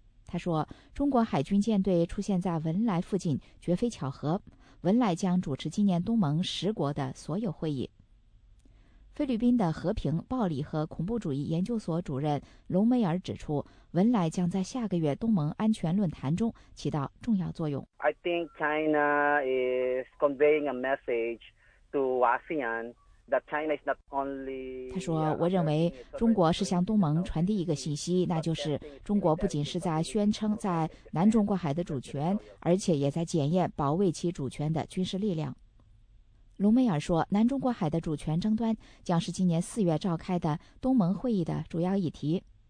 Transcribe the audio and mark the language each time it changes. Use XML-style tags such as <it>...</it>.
<zh>他说，中国海军舰队出现在文莱附近绝非巧合，文莱将主持今年东盟十国的所有会议。菲律宾的和平、暴力和恐怖主义研究所主任隆梅尔指出，文莱将在下个月东盟安全论坛中起到重要作用。</zh> <en>I think China is conveying a message to ASEAN.</en> <zh>他说，我认为中国是向东盟传递一个信息，那就是中国不仅是在宣称在南中国海的主权，而且也在检验保卫其主权的军事力量。隆梅尔说，南中国海的主权争端将是今年4月召开的东盟会议的主要议题。</zh>